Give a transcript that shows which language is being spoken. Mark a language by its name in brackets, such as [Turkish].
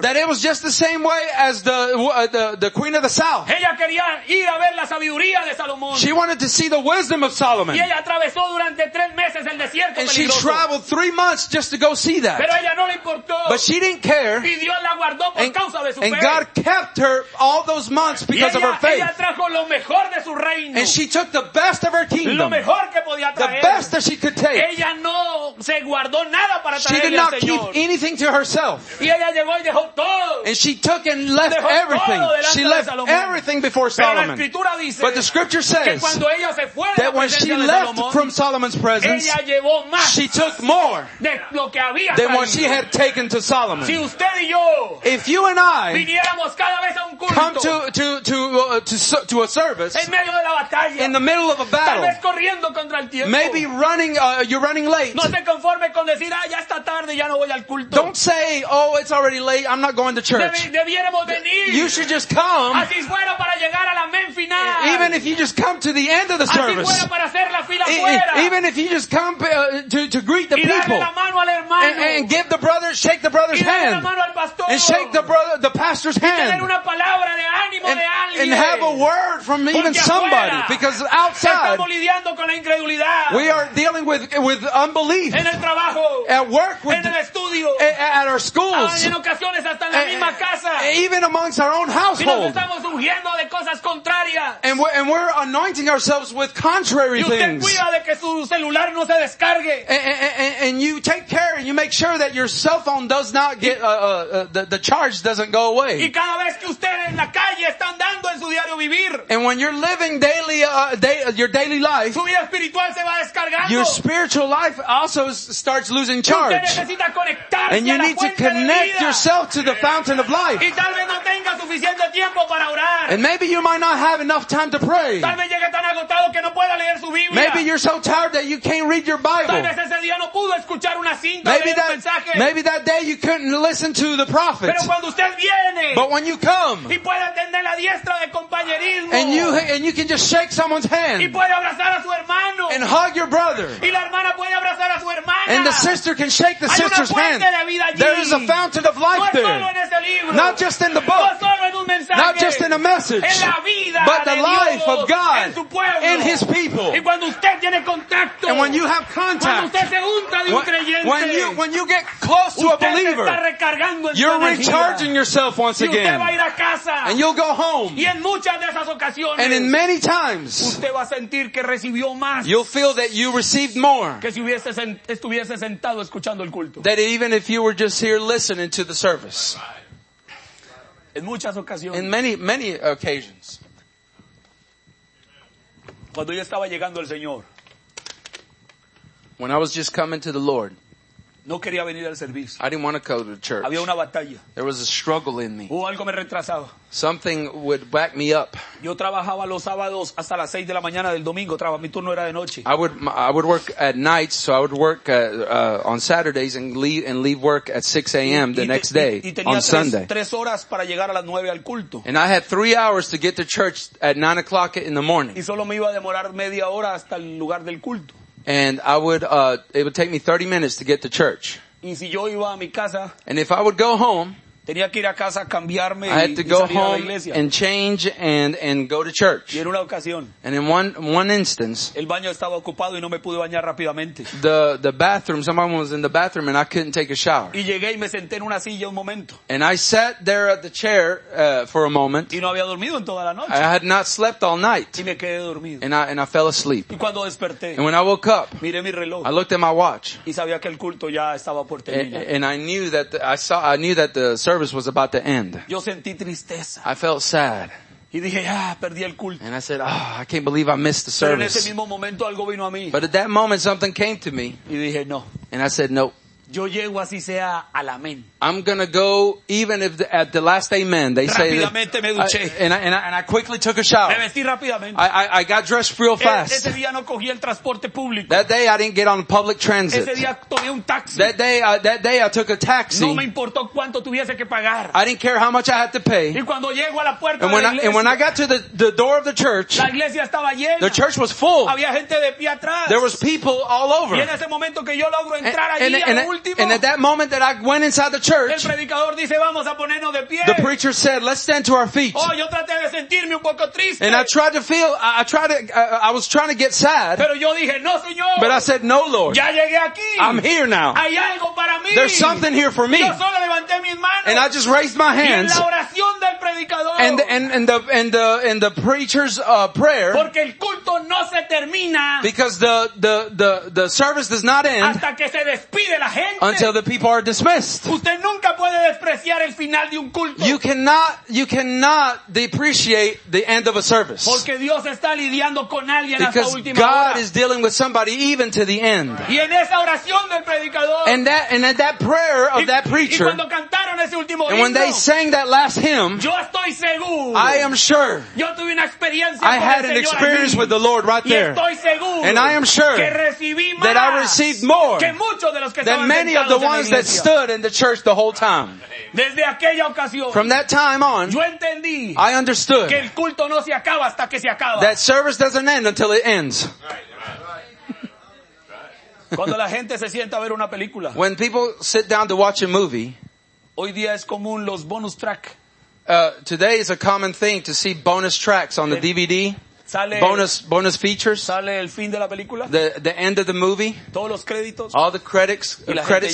[English] that it was just the same way as the queen of the south. [Spanish] Ella quería ir a ver la sabiduría de Salomón. [English] She wanted to see the wisdom of Solomon. [Spanish] Y ella atravesó durante tres meses el desierto peligroso. [English] And she traveled 3 months just to go see that. [Spanish] Pero ella no le importó. [English] But she didn't care. [Spanish] Y Dios la guardó por causa de su fe. [English] And God kept her all those months because [Spanish] ella, [English] of her faith. [Spanish] Ella trajo lo mejor de su reino. [English] And she took the best of her kingdom. [Spanish] Lo mejor que podía traer. [English] The best that she could take. [Spanish] Ella no se guardó nada para traerle al Señor. [English] She did not keep anything to herself. [Spanish] Y ella llegó y dejó todo. [English] And she took and left [Spanish] dejó [English] everything. She left [Spanish] Salomón. [English] Everything before Solomon. [Spanish] Pero la escritura dice, [English] but the scripture says [Spanish] que cuando ella se fue [English] that when she left [Spanish] Salomón, [English] from Solomon's presence, [Spanish] ella llevó más [English] she took more [Spanish] de lo que había [English] than [Spanish] traído. [English] What she had taken to Solomon. [Spanish] Si usted y yo [English] if you and I [Spanish] viniéramos cada vez a un culto, [English] come to a service [Spanish] en medio de la batalla, [English] in the middle of a battle, maybe running, you're running late. [Spanish] No te conformes con decir, ah, ya está tarde, ya no voy al culto. [English] Don't say, oh, it's already late, I'm not going to church. [Spanish] Debiéramos venir. [English] You should just come. [Spanish] Así fuera para llegar a la men final. [English] Even if you just come to the end of the service. [Spanish] Así fuera para hacer la fila fuera. [English] Even if you just come to greet the [Spanish] y darle [English] people. [Spanish] La mano al hermano. [English] And give the brother, shake the brother's [Spanish] y darle [English] hand. [Spanish] La mano al pastor. [English] And shake the pastor's hand. [Spanish] Y tener una palabra de ánimo [English] and, [Spanish] de alguien. [English] And have a word from [Spanish] porque [English] even somebody. [Spanish] Afuera. [English] Because outside. [Spanish] Con la incredulidad. [English] We are dealing with unbelief. [Spanish] En el trabajo. [English] At work. [Spanish] En el estudio. [English] At our schools. [Spanish] En ocasiones hasta en la misma casa. [English] Even amongst our own household. [Spanish] Y nos estamos ungiendo de cosas contrarias. [English] And we're anointing ourselves with contrary things. [Spanish] Y usted cuida de que su celular no se descargue. [English] And you take care and you make sure that your cell phone does not get the charge doesn't go away. [Spanish] Y cada vez que usted en la calle está andando en su diario vivir. [English] And when you're living daily your daily life. [Spanish] Su vida espiritual se va descargando. [English] Your spiritual life also starts losing charge. [Spanish] Usted necesita conectarse [English] and you [Spanish] a la [English] need to connect yourself to the fountain of life. [Spanish] Y tal vez no tenga suficiente tiempo para orar. [English] And maybe you might not have enough time to pray. [Spanish] Tal vez llegue tan agotado que no pueda leer su Biblia. [English] Maybe you're so tired that you can't read your Bible. [Spanish] Tal vez ese día no pudo escuchar una cinta maybe, leer [English] that, [Spanish] un mensaje. [English] Maybe that day you couldn't listen to the prophet. [Spanish] Pero cuando usted viene, [English] but when you come [Spanish] y puede atender la diestra de compañerismo, [English] and you can just shake someone's hand. [Spanish] Y puede abrazar a su hermano. [English] And hug your brother. [Spanish] Y la hermana puede abrazar a su hermana. [English] And the sister can shake the [Spanish] hay [English] sister's hand. [Spanish] De vida allí. [English] There is a fountain of life [Spanish] no [English] there. [Spanish] Solo en ese libro. [English] Not just in the book. [Spanish] No solo en un mensaje. [English] Not just in a message. [Spanish] En la vida [English] but the [Spanish] de [English] life [Spanish] Dios [English] of God [Spanish] en su pueblo. [English] In his people. [Spanish] Y cuando usted tiene contacto, [English] and when you have contact, [Spanish] cuando usted se unta de un creyente, [English] when you get close to a believer, [Spanish] está recargando en [English] you're [Spanish] su energía. [English] Recharging yourself once [Spanish] y usted [English] again. [Spanish] Va a ir a casa. [English] And you'll go home. [Spanish] Y en muchas de esas ocasiones, [English] and in many times, [Spanish] usted va a sentir que recibió más. [English] You'll feel that you received more. [Spanish] Que si hubiese estuviese sentado escuchando el culto. [English] That even if you were just here listening to the service. [Spanish] En muchas ocasiones. [English] In many, many occasions. [Spanish] Cuando yo estaba llegando al Señor. [English] When I was just coming to the Lord. [Spanish] No quería venir al servicio. [English] I didn't want to go to church. [Spanish] Había una batalla. [English] There was a struggle in me. [Spanish] O algo me retrasaba. [English] Something would back me up. [Spanish] Yo trabajaba los sábados hasta las 6 de la mañana del domingo. Mi turno era de noche. [English] I would work at night, so I would work on Saturdays and leave work at 6 a.m. the next day on Sunday. [Spanish] Y tenía 3 horas para llegar a las 9 al culto. [English] And I had 3 hours to get to church at 9 o'clock in the morning. [Spanish] Y solo me iba a demorar media hora hasta el lugar del culto. [English] And I would, it would take me 30 minutes to get to church. [Spanish] Y si yo iba a mi casa, [English] and if I would go home, [Spanish] tenía que ir a casa a cambiarme, [English] I had to go home [Spanish] iglesia. [English] And change and go to church. [Spanish] Y en una ocasión, [English] and in one instance, [Spanish] el baño estaba ocupado y no me pude bañar rápidamente. [English] The bathroom, someone was in the bathroom and I couldn't take a shower. [Spanish] Y llegué y me senté en una silla un momento. [English] And I sat there at the chair for a moment. [Spanish] Y no había dormido en toda la noche. [English] I had not slept all night. [Spanish] Y me quedé dormido. [English] And I fell asleep. [Spanish] Y cuando desperté, [English] and when I woke up, [Spanish] miré mi reloj. [English] I looked at my watch. [Spanish] Y sabía que el culto ya estaba por terminar. [English] And I knew that the service was about to end. [Spanish] Yo sentí tristeza. [English] I felt sad. [Spanish] Y dije, perdí el culto. [English] And I said, oh, I can't believe I missed the service. [Spanish] Pero en ese mismo momento algo vino a mí. [English] But at that moment something came to me. [Spanish] Y dije, no. [English] And I said, no. [Spanish] Yo llego así sea al amén. [English] I'm going to go even if at the last amen they say that. [Spanish] Rápidamente me duché. [English] And I quickly took a shower. [Spanish] Me vestí rápidamente. [English] I got dressed real fast. [Spanish] Ese día no cogí el transporte público. [English] That day I didn't get on public transit. [Spanish] Ese día tomé un taxi. [English] That day I took a taxi. [Spanish] No me importó cuánto tuviese que pagar. [English] I didn't care how much I had to pay. [Spanish] Y cuando llego a la puerta de la iglesia, [English] and when I got to the door of the church, [Spanish] la iglesia estaba llena. [English] The church was full. [Spanish] Había gente de pie atrás. [English] There was people all over. [Spanish] Y en ese momento que yo logro entrar allí, [English] and at that moment that I went inside the church, [Spanish] el predicador dice, vamos a ponernos de pie. [English] The preacher said, let's stand to our feet. [Spanish] Oh, yo traté de sentirme un poco triste. [English] And I was trying to get sad. [Spanish] Pero yo dije, no, señor. [English] But I said, no, Lord. [Spanish] Ya llegué aquí. [English] I'm here now. [Spanish] Hay algo para mí. [English] There's something here for me. [Spanish] Yo solo levanté mis manos. [English] And I just raised my hands. [Spanish] Y en la oración del predicador, [English] and the preacher's prayer. [Spanish] Porque el culto no se termina. [English] Because the service does not end. [Spanish] Hasta que se despide la gente. [English] Until the people are dismissed. [Spanish] Usted nunca puede despreciar el final de un culto. [English] You cannot depreciate the end of a service. [Spanish] Porque Dios está lidiando con alguien [English] because [Spanish] hasta última [English] God [Spanish] hora. [English] Is dealing with somebody even to the end. [Spanish] Y en esa oración del predicador, [English] and at that prayer of [Spanish] y, [English] that preacher, [Spanish] y cuando cantaron ese último [English] and when they sang that last hymn, [Spanish] yo estoy seguro, [English] I am sure. [Spanish] Yo tuve una experiencia [English] I had [Spanish] con el [English] an [Spanish] Señor [English] experience [Spanish] allí. [English] With the Lord right [Spanish] y [English] there. [Spanish] Estoy seguro [English] and I am sure [Spanish] que recibí más [English] that I received more [Spanish] que muchos de los que [English] than many of the ones that stood in the church the whole time. [Spanish] Desde aquella ocasión, [English] from that time on, [Spanish] yo entendí, [English] I understood [Spanish] que el culto no se acaba hasta que se acaba. [English] That service doesn't end until it ends. [Spanish] Cuando la gente se sienta a ver una película, [English] when people sit down to watch a movie, [Spanish] hoy día es común los bonus track. [English] Today is a common thing to see bonus tracks on the DVD. [Spanish] Sale [English] bonus features. [Spanish] Sale el fin de la película. [English] The end of the movie. [Spanish] Todos los créditos. [English] All the credits. [Spanish] Y la [English] credits